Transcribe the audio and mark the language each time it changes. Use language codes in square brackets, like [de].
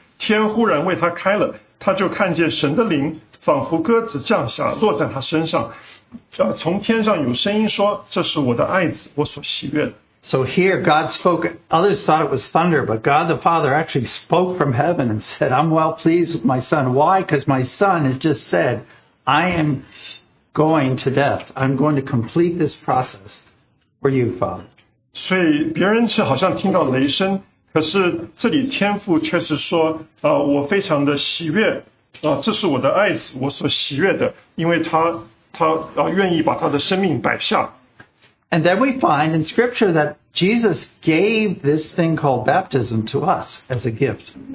[zh] 16节我们看见耶稣受了洗，随即从水里上来，天忽然为他开了，他就看见神的灵。仿佛鸽子降下，落在他身上，从天上有声音说：“这是我的爱子，我所喜悦的。” [en] So here, God spoke. Others thought it was thunder, but God the Father actually spoke from heaven and said, "I'm well pleased with my son. Why? Because my son has just said, 'I am going to death. I'm going to complete this process for you, Father.'" [zh] 这是我的爱子,我所喜悦的,因为他愿意把他的生命摆下。 [en] And then we find in Scripture that Jesus gave this thing called baptism to us as a gift.